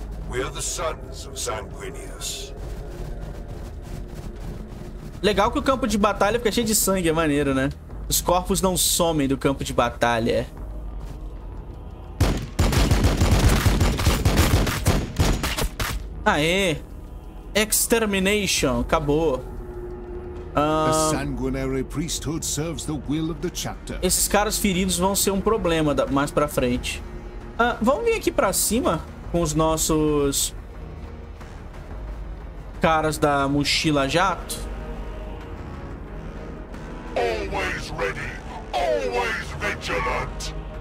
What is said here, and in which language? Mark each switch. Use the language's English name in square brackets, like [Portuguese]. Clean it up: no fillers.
[English] We're the sons of Sanguinius. [Portuguese] Legal que o campo de batalha fica cheio de sangue, é maneiro, né? Os corpos não somem do campo de batalha. Aê! Extermination, acabou. [English] Sanguinary priesthood serves the will of the chapter. [Portuguese] Esses caras feridos vão ser um problema mais pra frente. Vamos vir aqui pra cima com os nossos caras da mochila jato. [English] Always ready, always vigilant.